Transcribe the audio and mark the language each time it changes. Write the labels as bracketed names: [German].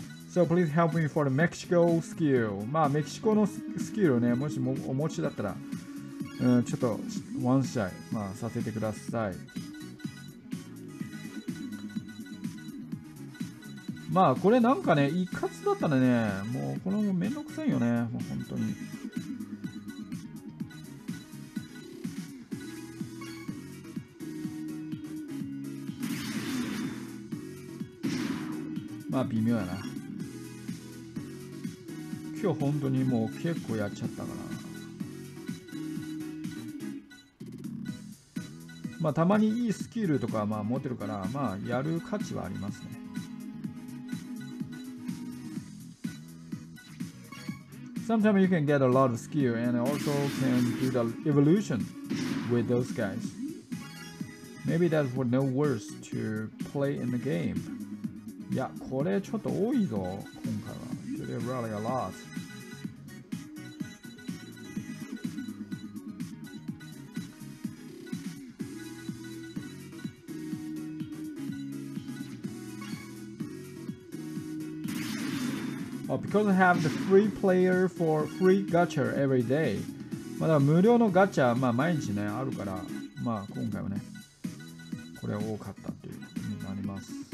[English] So please help me for the Mexico skill. [Japanese] まあメキシコのスキルね、もしもお持ちだったら。ちょっとワンシャイ、まあ、させてください。まあこれなんかね一括だったらね、もうこれもめんどくさいよね、もう本当に。まあ微妙やな。今日本当にもう結構やっちゃったから。まあ、たまにいいスキルとかまあ持ってるから、まあ、やる価値はありますね。 [English] Sometimes you can get a lot of skill and also can do the evolution with those guys. Maybe that's what no worse to play in the game. [Japanese] いや、これちょっと多いぞ、今回は。 [English] Today really a lot. Because I have the free player for free gacha every day. [Japanese] まだ無料のガチャ、まあ毎日ね、あるから、まあ今回はね、これは多かったっていうことになります。